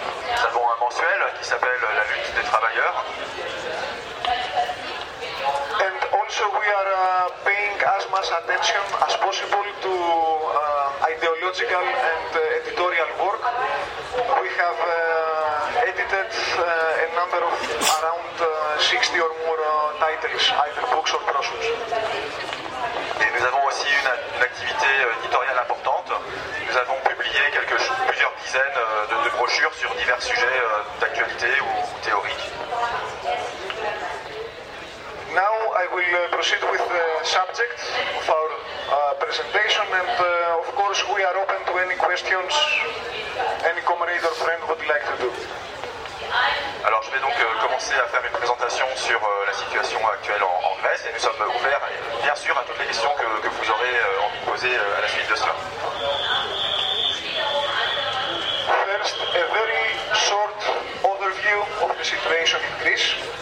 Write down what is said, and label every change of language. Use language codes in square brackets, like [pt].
[fr] Nous avons un mensuel qui s'appelle La lutte des travailleurs. [en] And also we are paying as much attention as possible to ideological and editorial work. We have edited a number of around 60 or more titles, either books or brochures. [fr] Et nous avons aussi une activité éditoriale importante. Nous avons publié plusieurs dizaines de brochures sur divers sujets d'actualité ou théoriques. [en] Now I will proceed with the subject of our presentation, and of course we are open to any questions any comrade or friend would like to do. [fr] Alors je vais donc commencer à faire une présentation sur la situation actuelle en Grèce, et nous sommes ouverts bien sûr à toutes les questions que vous aurez envie de poser à la suite de cela. [en] First, a very short overview of the situation in Greece.